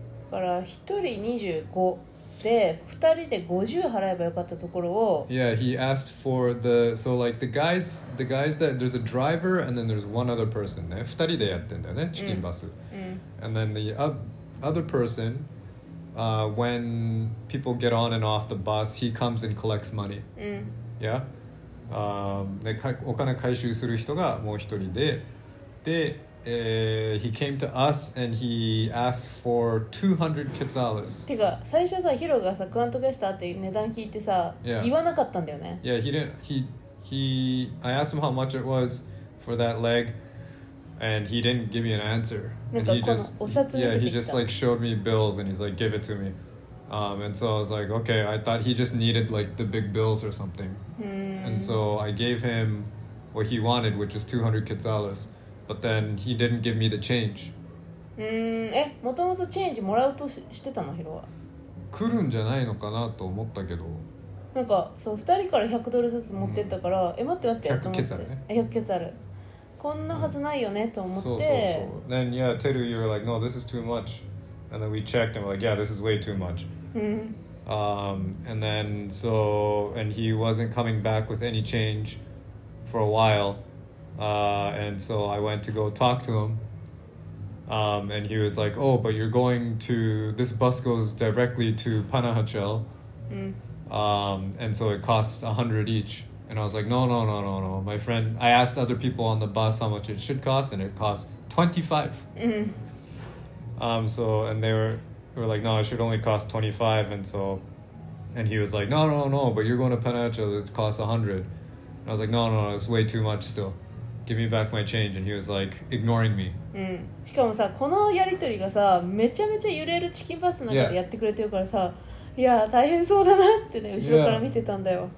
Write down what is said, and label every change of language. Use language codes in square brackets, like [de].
[ja] だから一人25で二人で50払えばよかったところを。 [en] Yeah, he asked for the so like the guys that there's a driver and then there's one other person ね。 [ja] 二人でやってんだよね、チキンバス。うん。 [en] And then the other person, when people get on and off the bus, he comes and collects money. [ja] うん。 [en] Yeah. [ja] でお金回収する人がもう一人で、で、 [en] he came to us and he asked for 200 quetzales. [ja] てか最初さ、ヒロがさ、クアントゲスターって値段聞いてさ、 [en] yeah. [ja] 言わなかったんだよね。 [en] Yeah, he didn't, I asked him how much it was for that leg and he didn't give me an answer. [ja] なんかこのお札見せてきた。 [en] Yeah, he just like showed me bills and he's like, give it to me. And so I was like, okay, I thought he just needed like the big bills or something. And so I gave him what he wanted, which was 200 quetzales. But then he didn't give me the change. [ja] もともとチェンジもらうとしてたの、ヒロは。来るんじゃないのかなと思ったけど。なんか、そう、2人から100ドルずつ持ってったから、うん、え、待って待って、 100ケツある、ね、 100ケツある。こんなはずないよね、うん、と思って。そうそうそう。 [en] Then, yeah, Teru, you were like, no, this is too much. And then we checked and we're like, yeah, this is way too much. and then, so, and he wasn't coming back with any change for a while. And so I went to go talk to him. And he was like, oh, but you're going to, this bus goes directly to Panajachel. And so it costs 100 each. And I was like, no. My friend, I asked other people on the bus how much it should cost, and it costs 25. Mm-hmm. So, and they were like, no, it should only cost 25. And so And he was like, no, but you're going to Panacho, it costs 100. And I was like, no, it's way too much still. Give me back my change. And he was like, ignoring me. [ja] しかもさ、このやりとりがさ、めちゃめちゃ揺れるチキンバスの中でやってくれてるからさ、いや、大変そうだなってね、後ろから見てたんだよ。